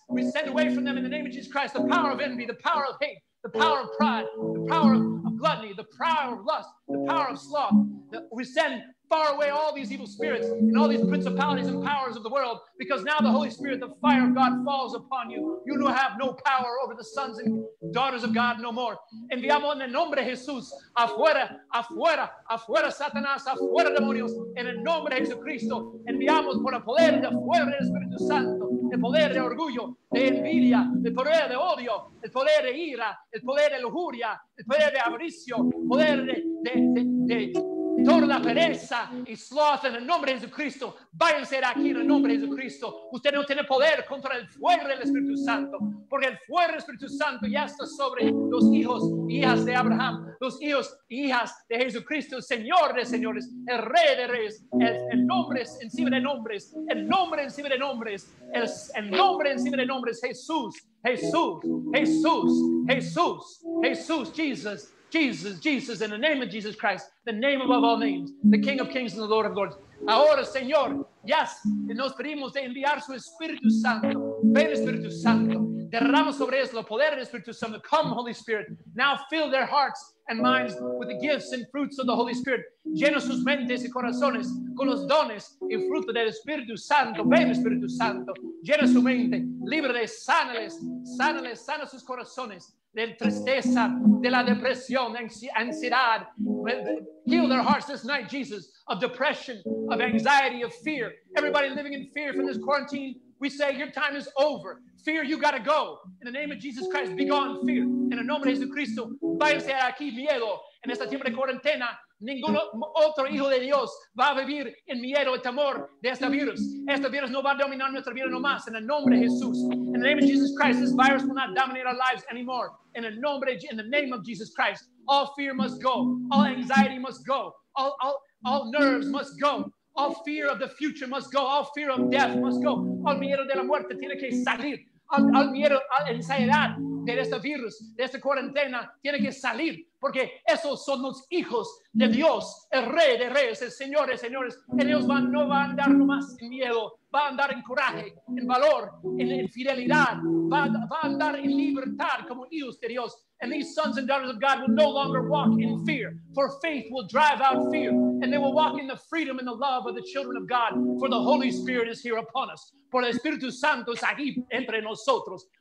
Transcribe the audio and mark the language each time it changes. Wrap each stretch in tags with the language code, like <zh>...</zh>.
<en>We send away from them in the name of Jesus Christ the power of envy, the power of hate, the power of pride, the power of gluttony, the power of lust, the power of sloth. We send far away all these evil spirits and all these principalities and powers of the world, because now the Holy Spirit, the fire of God, falls upon you. You will have no power over the sons and daughters of God no more.</en> <es>Enviamos en el nombre de Jesús, afuera, afuera, afuera Satanás, afuera demonios, en el nombre de Jesucristo. Enviamos por el poder de fuera del Espíritu Santo, el poder de orgullo, de envidia, el poder de odio, el poder de ira, el poder de lujuria, el poder de avaricio, el poder de toda la pereza y sloth en el nombre de Jesucristo. Váyanse de aquí en el nombre de Jesucristo. Usted no tiene poder contra el fuego del Espíritu Santo, porque el fuego del Espíritu Santo ya está sobre los hijos y hijas de Abraham, los hijos y hijas de Jesucristo, Señor de señores, el Rey de reyes, el nombre encima de nombres, el nombre encima de nombres, el nombre encima de nombres, Jesús, Jesús, Jesús, Jesús, Jesús, Jesús.</es> <en>Jesus, Jesus, in the name of Jesus Christ, the name above all names, the King of kings and the Lord of lords.</en> <es>Ahora, Señor, yes, nos pedimos de enviar su Espíritu Santo. Ven, Espíritu Santo. Derrama sobre ellos el poder del Espíritu Santo.</es> <en>Come, Holy Spirit. Now fill their hearts and minds with the gifts and fruits of the Holy Spirit.</en> <es>Llena sus mentes y corazones con los dones y fruto del Espíritu Santo. Ven, Espíritu Santo. Llena su mente. Líbrales, sánales, sánales, sana sus corazones. De tristeza, de la depresión, ansiedad.</es> <en>Heal their hearts this night, Jesus, of depression, of anxiety, of fear. Everybody living in fear from this quarantine, we say your time is over. Fear, you gotta go. In the name of Jesus Christ, be gone, fear.</en> <es>En el nombre de Jesucristo, váyanse aquí, miedo. En esta tiempo de cuarentena, ningún otro hijo de Dios va a vivir en miedo y temor de este virus. Este virus no va a dominar nuestra vida no más. En el nombre de Jesús.</es> <en>In the name of Jesus Christ, this virus will not dominate our lives anymore. In the name of Jesus Christ, all fear must go. All anxiety must go. All nerves must go. All fear of the future must go. All fear of death must go.</en> <es>All miedo de la muerte tiene que salir. Al miedo, a la ansiedad de este virus, de esta cuarentena, tiene que salir, porque esos son los hijos de Dios, el Rey de Reyes, el Señor de Señores. Ellos no van a andar nomás en miedo, van a andar en coraje, en valor, en fidelidad, van a andar en libertad como hijos de Dios.</es> <en>And these sons and daughters of God will no longer walk in fear, for faith will drive out fear, and they will walk in the freedom and the love of the children of God, for the Holy Spirit is here upon us.</en> <es>Por el Espíritu Santo es aquí entre nosotros.</es>